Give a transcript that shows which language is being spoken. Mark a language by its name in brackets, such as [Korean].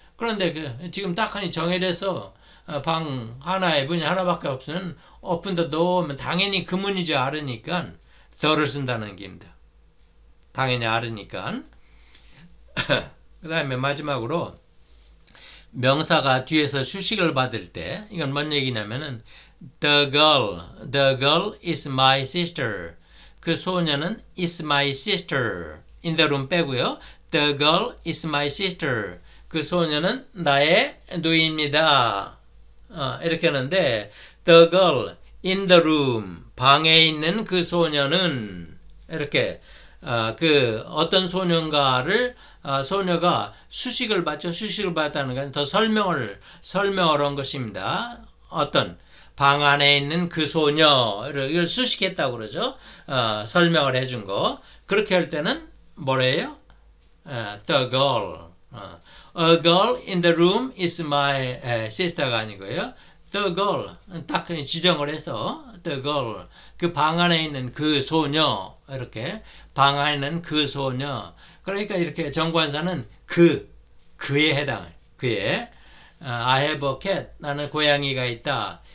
[Korean] 그런데 지금 딱하니 정해져서 방 하나에 문이 하나밖에 없으면 [English] open the door [Korean] 하면 당연히 그 문이지 아르니까 더를 쓴다는 얘기입니다. 당연히 아르니까. 그 다음에 마지막으로 명사가 뒤에서 수식을 받을 때, 이건 뭔 얘기냐면은 [English] the girl is my sister. [Korean] 그 소녀는 [English] is my sister. in the room [Korean] 빼고요. [English] the girl is my sister. [Korean] 그 소녀는 나의 누이입니다. 이렇게 하는데 [English] the girl in the room [Korean] 방에 있는 그 소녀는 이렇게 그 어떤 소년가를 소녀가 수식을 받죠. 수식을 받았다는 건더 설명을 한 것입니다. 어떤 방 안에 있는 그 소녀를 수식했다고 그러죠. 설명을 해준 거. 그렇게 할 때는 뭐래요? [English] The girl. A girl in the room is my sister [Korean] 가 아니고요. [English] The girl. [Korean] 딱 지정을 해서 [English] The girl. [Korean] 그방 안에 있는 그 소녀. 이렇게 방 안에 있는 그 소녀. 그러니까 이렇게 정관사는 그에 해당해. 그에. [English] I have a cat. [Korean] 나는 고양이가 있다.